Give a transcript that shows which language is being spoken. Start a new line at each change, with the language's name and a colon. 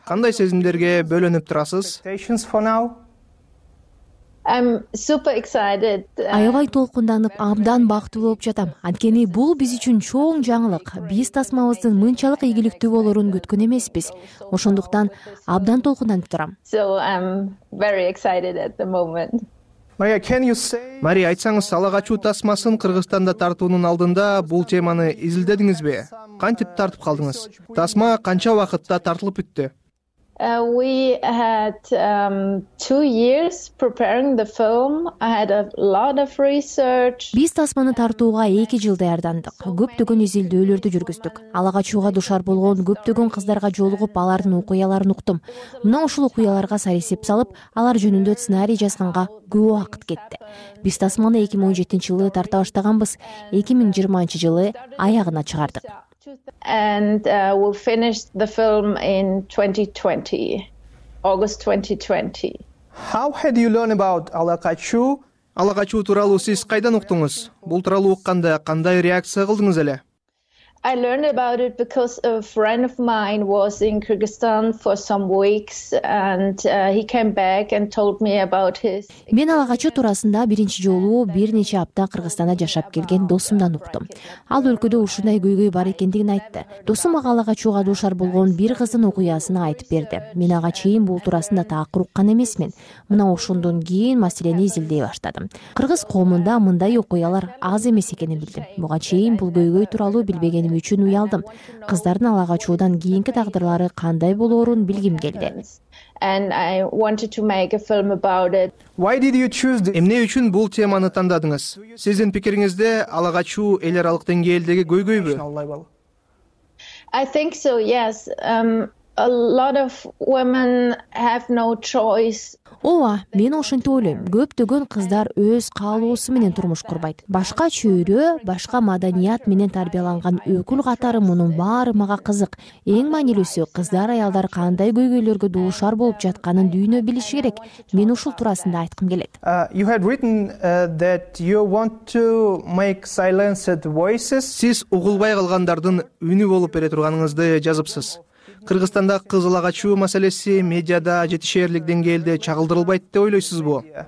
Kyrgyz: Кандай сезимдерге бөлөнүп турасыз?
English: I'm super excited.
Kyrgyz: Аябай толкунданып, абдан бактылуу болуп жатам. Анткени бул биз үчүн чоң жаңылык. Биз тасмабыздын мынчалык ийгиликтүү болорун күткөн эмеспиз. Ошондуктан абдан толкунданып турам.
English: So I'm very excited at the moment. Мария, can you say?
Kyrgyz: Мария, айтсаңыз, ала качуу тасмасын Кыргызстанда тартуунун алдында бул теманы изилдедиңизби? Кантип тартып калдыңыз? Тасма канча убакытта тартылып бүттү?
English: We had 2 years preparing the film. I had a lot of research.
Kyrgyz: Биз тасманы тартууга 2 жыл даярдандык. Көптөгөн изилдөөлөрдү жүргүздүк. Ала качууга дуушар болгон көптөгөн кыздарга жолугуп, алардын окуяларын уктум. Мына ушул окуяларга сай эсеп салып, алар жөнүндө сценарий жазганга көп убакыт кетти. Биз тасманы 2017 жылы тарта баштаганбыз. 2020 жылы аягына чыгардык.
English: And we finished the film in 2020, August 2020. How had you learned about Ала качуу?
Kyrgyz: Ала качуу тууралуу сиз кайдан уктуңуз? Бул тууралуу укканда кандай реакция кылдыңыз эле?
English: I learned about it because a friend of mine was in Kyrgyzstan for some weeks and he came back and told me about his.
Kyrgyz: Мен ала качуу туурасында биринчи жолу бир нече апта Кыргызстанда жашап келген досумдан уктум. Ал өлкөдө ушундай көйгөй бар экендигин айтты. Досум ага ала качууга дуушар болгон бир кыздын окуясын айтып берди. Мен ага чейин бул туурасында такыр уккан эмесмин. Мына ошондон кийин маселени изилдей баштадым. Кыргыз коомунда мындай окуялар аз эмес экенин билдим. Буга чейин бул көйгөй тууралуу билбеген эмим үчүн уялдым. Кыздардын ала качуудан кийинки тагдырлары кандай болоорун билгим келди.
English: And I wanted to make a film about it. Why did you choose this?
Kyrgyz: Эмне үчүн бул теманы тандадыңыз? Сиздин пикириңизде ала качуу эл аралык деңгээлдеги көйгөйбү?
English: I think so, yes. A lot of women have no choice.
Kyrgyz: Ола, мен ошентип ойлойм. Көптөгөн кыздар өз каалоосу менен турмуш курбайт. Башка чөйрө, башка маданият менен тарбияланган өкүл катары мунун баары мага кызык. Эң маанилүүсү кыздар аялдар кандай көйгөйлөргө дуушар болуп жатканын дүйнө билиши керек. Мен ушул туурасында айткым келет.
English: You had written that you want to make silenced voices.
Kyrgyz: Сиз угулбай калгандардын үнү болуп бере турганыңызды жазыпсыз. Кыргызстанда кыз ала качуу маселеси медиада жетишерлик деңгээлде чагылдырылбайт деп ойлойсузбу?